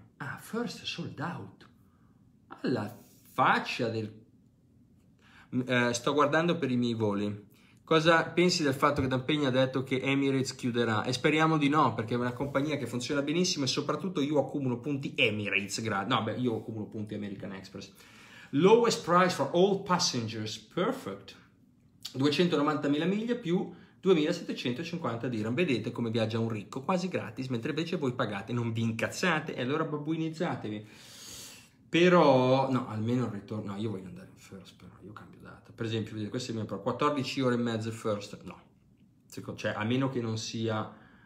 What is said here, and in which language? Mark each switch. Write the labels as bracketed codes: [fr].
[en] Ah, first sold out. [it] Alla faccia del. Sto guardando per i miei voli. Cosa pensi del fatto che Dampegna ha detto che Emirates chiuderà? E speriamo di no, perché è una compagnia che funziona benissimo e soprattutto io accumulo punti Emirates. No, beh, io accumulo punti American Express. [en] Lowest price for all passengers, perfect. [it] 290.000 miglia più 2.750 dirham. Vedete come viaggia un ricco, quasi gratis, mentre invece voi pagate, non vi incazzate e allora babbuinizzatevi. Però, no, almeno il ritorno. No, io voglio andare in first, però io cambio data. Per esempio, vedete, questo è il mio pro, 14 ore e mezza first. No, cioè, a meno che non sia.